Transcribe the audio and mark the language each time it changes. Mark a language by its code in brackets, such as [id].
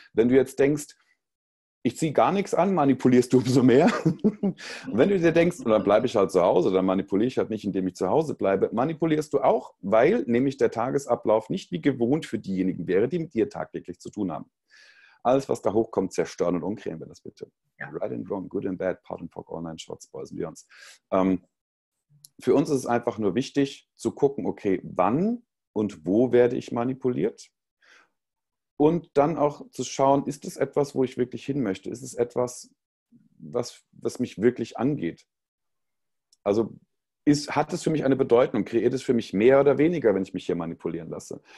[de] Wenn du jetzt denkst, ich ziehe gar nichts an, manipulierst du umso mehr. Wenn du dir denkst, dann bleibe ich halt zu Hause, dann manipuliere ich halt nicht, indem ich zu Hause bleibe, manipulierst du auch, weil nämlich der Tagesablauf nicht wie gewohnt für diejenigen wäre, die mit dir tagtäglich zu tun haben. Alles, was da hochkommt, zerstören und umkreieren wir das bitte. Ja. [en] Right and wrong, good and bad, pot and pock, online, shorts, boys and beyonds. [de] Für uns ist es einfach nur wichtig zu gucken, okay, wann und wo werde ich manipuliert? Und dann auch zu schauen, ist es etwas, wo ich wirklich hin möchte? Ist es etwas, was mich wirklich angeht? Also hat es für mich eine Bedeutung? Kreiert es für mich mehr oder weniger, wenn ich mich hier manipulieren lasse?